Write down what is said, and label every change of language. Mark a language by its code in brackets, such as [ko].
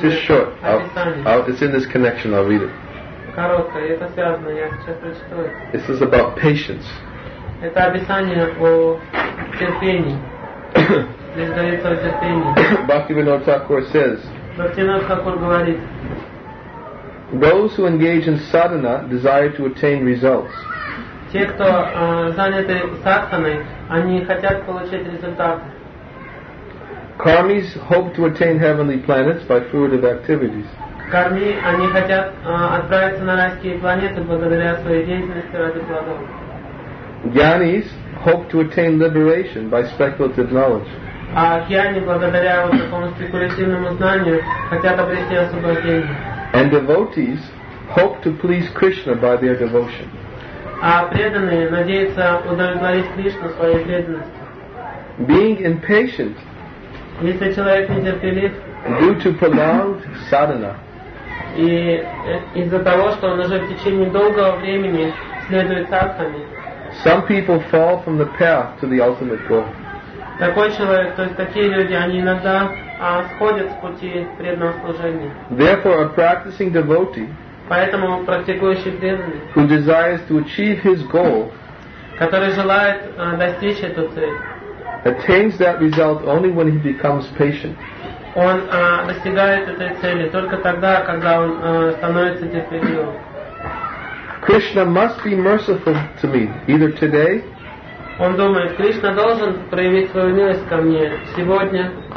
[en] Just short. It's in this connection. I'll read it. [ru] Короткое. Это связано. Я сейчас прочитаю. [en] This is about patience. [ru] Это описание о терпении. Здесь говорится о терпении. [en] Бхактивинода Тхакур says. [ru] Бхактивинода Тхакур говорит. [en] Those who engage in sadhana desire to attain results. [ru] Те, кто заняты садханой, они хотят получить результаты. [en] Кармис hope to attain heavenly planets by fruitive activities. [ru] Карми, они хотят отправиться на райские планеты благодаря своей деятельности ради плодов. [en] Гьянис hope to attain liberation by speculative knowledge. [ru] А гьяни, благодаря вот такому спекулятивному знанию, хотят обрести освобождение. [en] And devotees hope to please Krishna by their devotion. [ru] А преданные надеются удовлетворить Кришну своей преданностью. [en] Being impatient. [ru] Если человек нетерпелив. [en] Due to prolonged sadhana. [ru] И из-за того, что он уже в течение долгого времени следует садхане. [en] Some people fall from the path to the ultimate goal. [ru] Такой человек, то есть такие люди, они иногда сходят с пути преданного служения. [en] Therefore, a practicing devotee. [ru] Поэтому практикующий преданный, [en] who desires to achieve his goal, [ru] который желает достичь эту цель, [en] attains that result only when he becomes patient. [ru] Он достигает этой цели только тогда, когда он становится терпеливым. [en] Krishna must be merciful to me either today. [ru] Он думает, Кришна должен проявить свою милость ко мне сегодня.